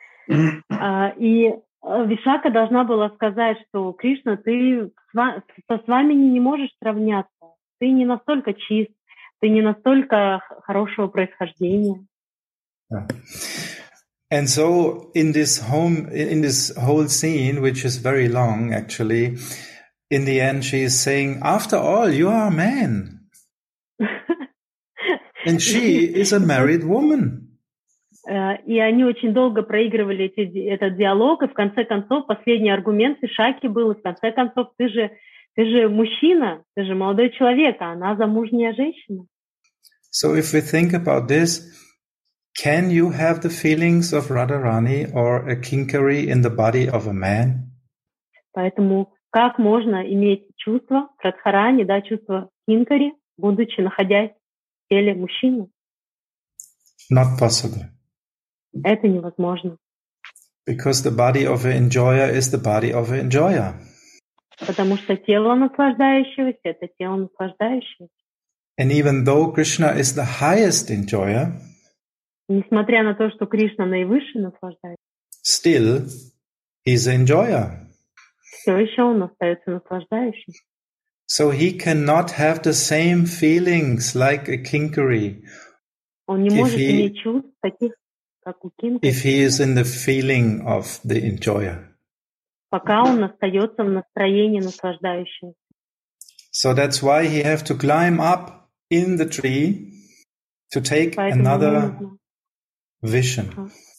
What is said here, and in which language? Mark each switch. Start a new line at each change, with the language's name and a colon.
Russian: И Вишакха должна была сказать, что Кришна, ты со Свамини не можешь сравняться. Ты не настолько чист, ты не настолько хорошего происхождения.
English: And so in this home, in this whole scene, which is very long, actually, in the end, she is saying, after all, you are a man. And she is a married woman.
Russian: И они очень долго проигрывали этот диалог, и в конце концов, последний аргумент Вишакхи был, и в конце концов, ты же мужчина, ты же молодой человек, а она замужняя женщина.
English: So if we think about this, can you have the feelings of Radharani or a Kinkari in the body of a man?
Russian: Поэтому как можно иметь чувство Радхарани, да, чувство Кинкари, будучи находясь в теле мужчины?
English: Not possible.
Russian: Это невозможно.
English: Because the body of an enjoyer is the body of an enjoyer.
Russian: Потому что тело наслаждающегося это тело наслаждающегося.
English: And even though Krishna is the highest enjoyer,
Russian: несмотря на то, что Кришна наивысший наслаждающийся,
English: still he's an enjoyer.
Russian: Все еще он остается наслаждающим.
English: So he cannot have the same feelings like a kinkari.
Russian: Он не может иметь чувств таких, как у кинкари.
English: If he is in the feeling of the enjoyer.
Russian: Пока он остается в настроении наслаждающегося.
English: So that's why he have to climb up in the tree to take like another vision.